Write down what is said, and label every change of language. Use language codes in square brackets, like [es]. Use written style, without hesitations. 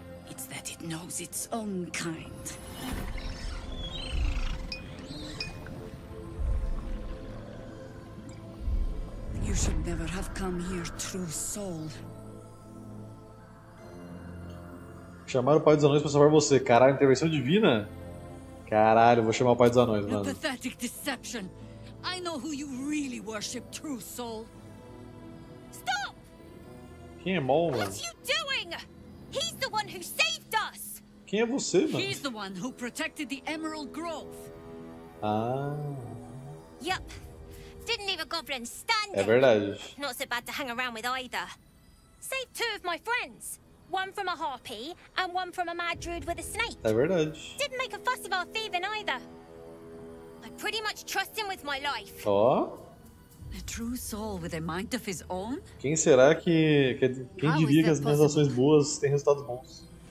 [en] it's that it knows its own kind. You should never have come here, true soul. [pt] Chamar o Pai dos Anões pra salvar você. Caralho, intervenção divina? Caralho, vou chamar o Pai dos Anões, mano. [en] Pathetic deception. I know who you really worship, true soul. Stop! [pt] Quem é Maul, mano? [en] What are you doing? He's the one who saved us. [pt] Quem é você, mano? [en] He's the one who protected the Emerald Grove. Ah. Yep. Didn't leave a goblin standing. [pt] É verdade. [en] Not so bad to hang around with either. Save two of my friends. One from a harpy, and one from a mad druid with a snake. [pt] É verdade. [en] Didn't make a fuss about thieving either. I pretty much trust him with my life. Oh? A true soul with a mind of his own? [pt] Quem será que quem diria que as minhas ações boas têm resultados bons?